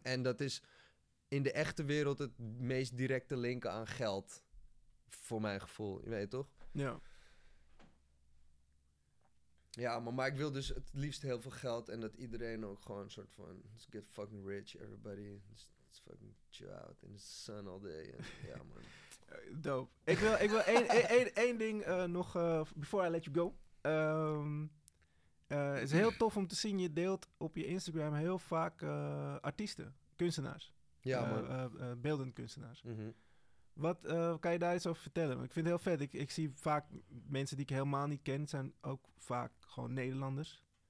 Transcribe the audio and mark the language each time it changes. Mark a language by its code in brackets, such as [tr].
[nl] En dat is in de echte wereld het meest directe linken aan geld, voor mijn gevoel, je weet toch? Ja. Ja, maar ik wil dus het liefst heel veel geld en dat iedereen ook gewoon een soort van... [en] Let's get fucking rich, everybody. Let's fucking chill out in the sun all day. [nl] Ja, man. Dope. Ik wil één ding nog, [en] before I let you go. [nl] Het is heel tof om te zien, je deelt op je Instagram heel vaak artiesten, kunstenaars. Ja, man. Beeldend kunstenaars. Mm-hmm. Wat kan je daar iets over vertellen? Ik vind het heel vet. Ik zie vaak mensen die ik helemaal niet ken, zijn ook vaak gewoon Nederlanders.